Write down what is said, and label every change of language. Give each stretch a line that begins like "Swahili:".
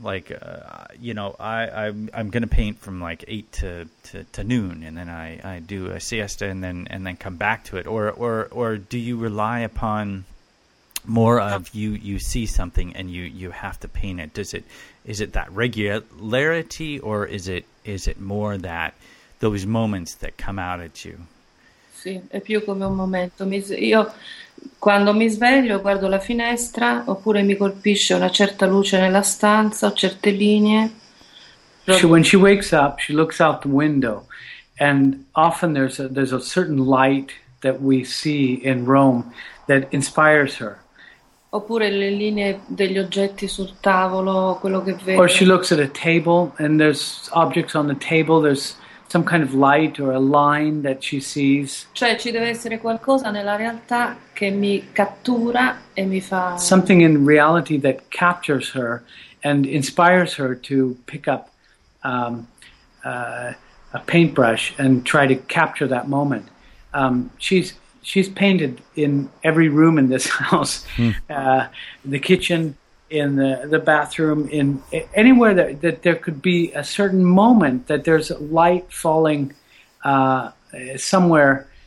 English: Like, you know, I'm going to paint from like 8 to noon, and then I do a siesta and then come back to it. Or do you rely upon more of you see something and you have to paint it? Is it that regularity, or is it more that those moments that come out at you?
Italian: Sì, è più come un momento. Io quando mi sveglio guardo la finestra, oppure mi colpisce una certa luce nella stanza, ho certe linee.
English: So when she wakes up, she looks out the window, and often there's a certain light that we see in Rome that inspires her.
Italian: Oppure le linee degli oggetti sul tavolo, quello che vede.
English: Or she looks at a table and there's objects on the table, there's some kind of light or a line that she sees.
Italian: Cioè, ci deve essere qualcosa nella realtà che mi cattura e mi fa.
English: Something in reality that captures her and inspires her to pick up a paintbrush and try to capture that moment. She's painted in every room in this house, the kitchen, in the bathroom, in anywhere that there could be a certain moment that there's light falling somewhere.